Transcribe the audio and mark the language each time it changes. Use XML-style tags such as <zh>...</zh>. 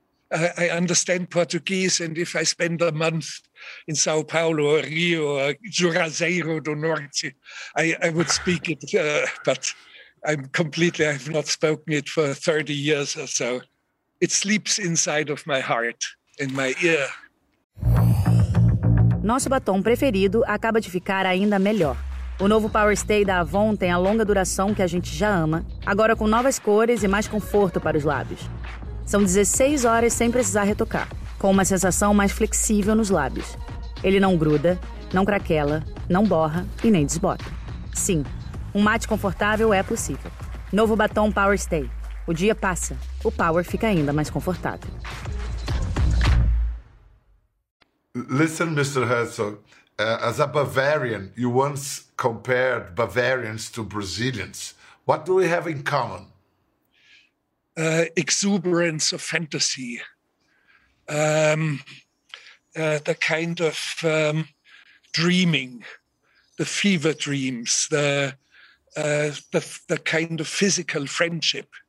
<en>I understand Portuguese, and if I spend a month in São Paulo or Rio or Juazeiro do Norte, I would speak it, but I'm completely, I've not spoken it for 30 years or so. It sleeps inside of my heart, in my ear.</en> <pt>Nosso batom preferido acaba de ficar ainda melhor. O novo Power Stay da Avon tem a longa duração que a gente já ama, agora com novas cores e mais conforto para os lábios. São 16 horas sem precisar retocar, com uma sensação mais flexível nos lábios. Ele não gruda, não craquela, não borra e nem desbota. Sim, um mate confortável é possível. Novo batom Power Stay. O dia passa, o power fica ainda mais confortável.</pt> <en>Listen, Mr. Herzog, as a Bavarian, you once compared Bavarians to Brazilians. What do we have in common? Exuberance of fantasy. The kind of dreaming, the fever dreams, the kind of physical friendship.</en>